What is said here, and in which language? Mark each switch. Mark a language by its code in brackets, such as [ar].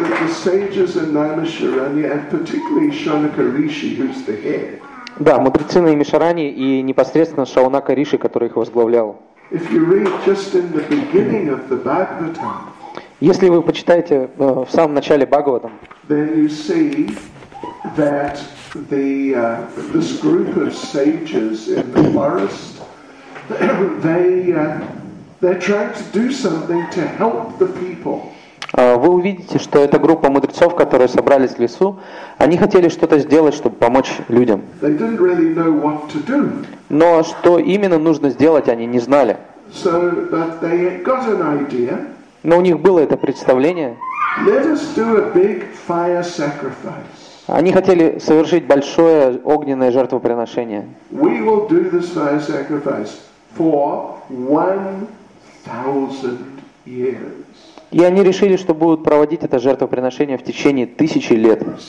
[en] The sages in Naimisharanya and particularly Shaunaka Rishi, who's the head. [ru] Да, мудрецы Наимишарани и непосредственно Шаунака Риши, который их возглавлял. [en] If you read just in the beginning of the Bhagavatam. [ru] Если вы почитаете в самом начале Бхагаватам. [en] Then you see that the this group of sages in the forest they're trying to do something to help the people. [ru] Вы увидите, что эта группа мудрецов, которые собрались в лесу, они хотели что-то сделать, чтобы помочь людям. [en] They didn't really know what to do. [ru] Но что именно нужно сделать, они не знали. [en] So, but they got an idea. [ru] Но у них было это представление. [en] Let us do a big fire sacrifice. [ru] Они хотели совершить большое огненное жертвоприношение. [en] We will do this fire sacrifice for 1,000 years. [ru] И они решили, что будут проводить это жертвоприношение в течение 1000 лет.